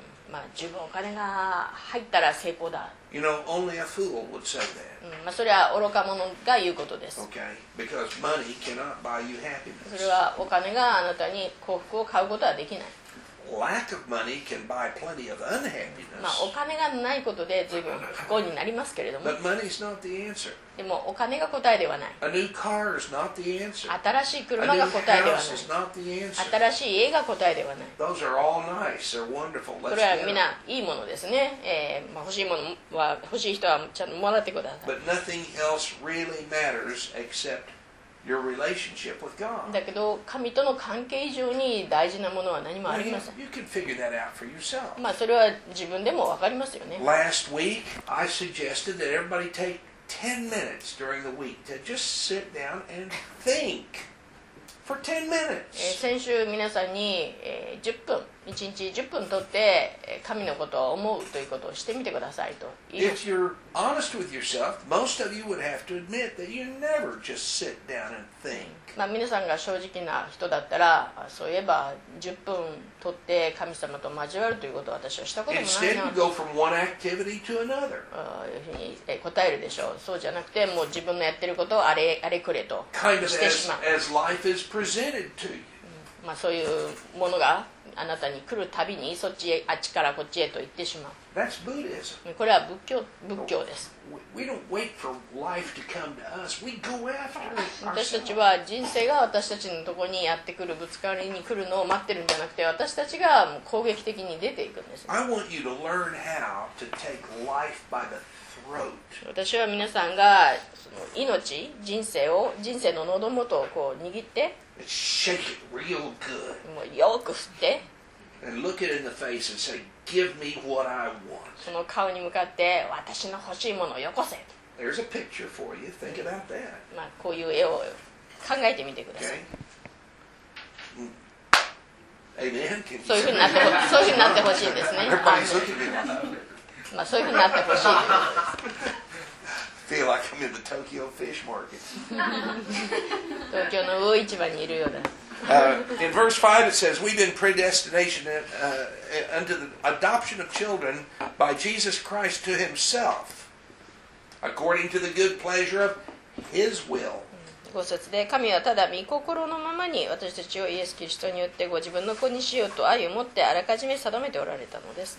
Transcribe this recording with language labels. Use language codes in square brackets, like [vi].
[ja] まあ十分お金が入ったら成功だ。 [en] You know, only a fool would say that. [ja] まあ、それは愚か者が言うことです。 [en] Okay. Because money cannot buy you happiness. [ja] それはお金があなたに幸福を買うことはできない。 [en] Lack of money can buy plenty of unhappiness. [ja] まあ、お金がないことで随分不幸になりますけれども。 [en] But money is not the answer. [ja] でもお金が答えではない。 [en] A new car is not the answer. [ja] 新しい車が答えではない。 [en] A new house is not the answer. [ja] 新しい家が答えではない。 [en] Those are all nice. They're wonderful. Let's [ja] これはみんないいものですね。まあ、欲しいものは欲しい人はちゃんともらってください。 [en] But nothing else really matters except your relationship with God. [ja] だけど神との関係以上に大事なものは何もありません。 [en] You can figure that out for yourself. [ja] まあそれは自分でも分かりますよね。 [en] Last week, I suggested that everybody take 10 minutes during the week to just sit down and think for 10 minutes. [ja] 先週皆さんに10分、1日10分取って神のことを思うということをしてみてくださいと言いました。 [en] If you're honest with yourself, most of you would have to admit that you never just sit down and think. [ja] まあ皆さんが正直な人だったら、そういえば10分取って神様と交わるということを私はしたこともないな。 [en] Instead, you go from one activity to another. [ja] 答えるでしょう。そうじゃなくて、もう自分のやってることをあれくれとしてしまう。 [en] Kind of as life is presented to you. [ja] まあそういうものがあなたに来るたびにそっちへ、あっちからこっちへと行ってしまう。 [en] That's Buddhism. [ja] これは仏教です。 [en] We don't wait for life to come to us. We go after ourselves. [ja] 私たちは人生が私たちのところにやってくる、ぶつかりに来るのを待ってるんじゃなくて、私たちが攻撃的に出ていくんです。 [en] I want you to learn how to take life by the throat. [ja] 私は皆さんがその命、人生を、人生の喉元をこう握って、 [en] Shake it real good. [ja] もうよく振って。 [en] And look it in the face and say, "Give me what I want." [ja] その顔に向かって私の欲しいものをよこせ。 [en] There's a picture for you. Think about that. [ja] まあこういう絵を考えてみてください。 [en] Okay. Amen. Can you [ja] そういうふうになってそういうふうになってほしいですね。 [en] Everybody's looking at me. [ja] まあそういうふうになってほしい。 [en] Feel like I'm in the Tokyo fish market. [ja] 東京の魚市場にいるようだ。 [en] In verse 5 it says, "We've been predestinated unto the adoption of children by Jesus Christ to Himself, according to the good pleasure of His will." [ja] 五節で神はただ御心のままに私たちをイエス・キリストによってご自分の子にしようと愛を持ってあらかじめ定めておられたのです。